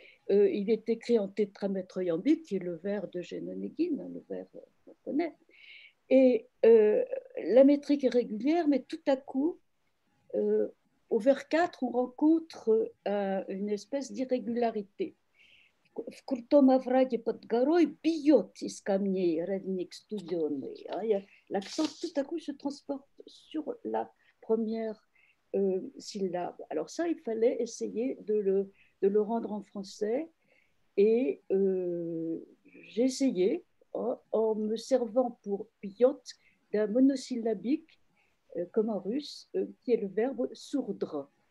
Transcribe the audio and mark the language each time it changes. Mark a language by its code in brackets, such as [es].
[fr] Il est écrit en tétramètre iambique, qui est le vers de Génonéguine, hein, le vers qu'on connaît. Et la métrique est régulière, mais tout à coup, au vers 4, on rencontre une espèce d'irrégularité. [ru] В крутом овраге под горой бьет из камней родник студеный. [fr] L'accent tout à coup se transporte sur la première syllabe. Alors ça, il fallait essayer de le rendre en français. Et j'ai essayé en me servant pour bjet d'un monosyllabique comme en russe, qui est le verbe sourdre.